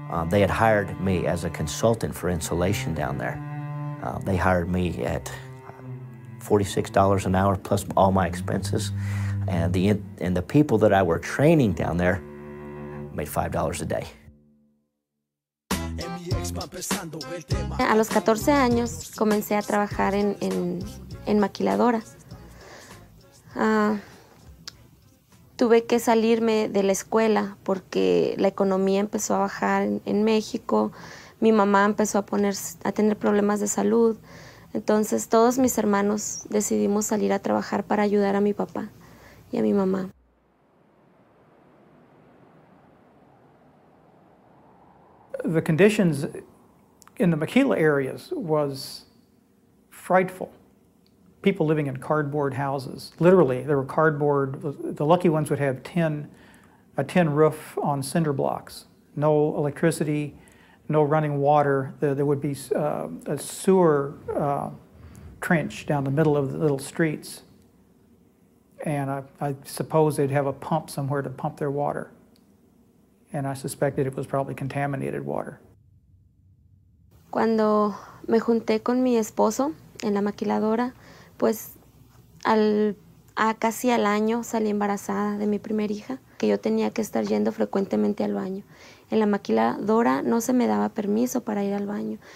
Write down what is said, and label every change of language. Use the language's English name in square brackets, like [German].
[English] They had hired me as a consultant for insulation down there. They hired me at $46 an hour plus all my expenses. And the people that I were training down there made $5 a day. [Spanish] A los 14 años comencé a trabajar en maquiladora. Tuve que salirme de la escuela porque la economía empezó a bajar en México. Mi mamá empezó a tener problemas de salud. Entonces todos mis hermanos decidimos salir a trabajar para ayudar a mi papá y a mi mamá. [English] The conditions in the maquila areas was frightful. People living in cardboard houses. Literally, there were cardboard. The lucky ones would have a tin roof on cinder blocks. No electricity, no running water. There would be a sewer trench down the middle of the little streets. And I suppose they'd have a pump somewhere to pump their water. And I suspected it was probably contaminated water. [Spanish] Cuando me junté con mi esposo en la maquiladora, pues casi al año salí embarazada de mi primer hija, que yo tenía que estar yendo frecuentemente al baño. En la maquiladora no se me daba permiso para ir al baño.